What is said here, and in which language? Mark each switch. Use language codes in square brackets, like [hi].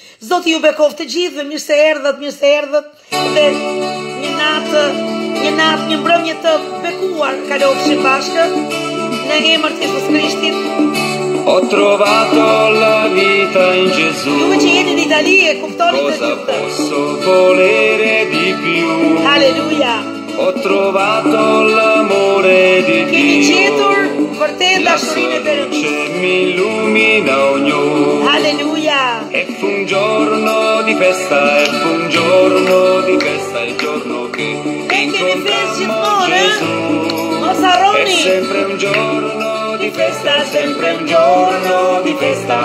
[sq] Zoti ju bekov të gjithëve, mirë se erdhët, mirë se erdhët. Dhe një natë, një mbrëmje të bekuar, kalofshim bashkë në emër të Jezus Krishtit. [it] Ho trovato la vita in Gesù. [sq] Juve që jeni në Itali e kuptoni të gjithë. [it] Cosa posso volere di più? Aleluia. Ho trovato l'amore di Dio. [sq] Kemi gjetur vërtet dashurinë e Perëndisë. [it] Che mi illumina ogni. Alleluia. E fu un giorno di festa, e fu un giorno di festa, il giorno che incontrammo Gesù. Mosaroni. È sempre un giorno di festa, sempre un giorno di festa.